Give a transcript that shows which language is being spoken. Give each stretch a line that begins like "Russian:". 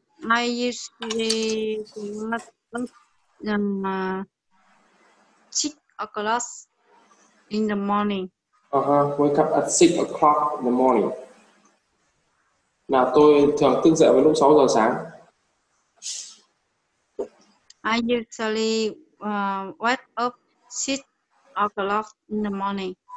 English: I usually wake up at 6 o'clock in the morning. Wake up at 6 o'clock in the morning.
Vietnamese: Là tôi thường thức dậy vào lúc 6 giờ sáng.
English: I usually wake up 6 o'clock in the morning.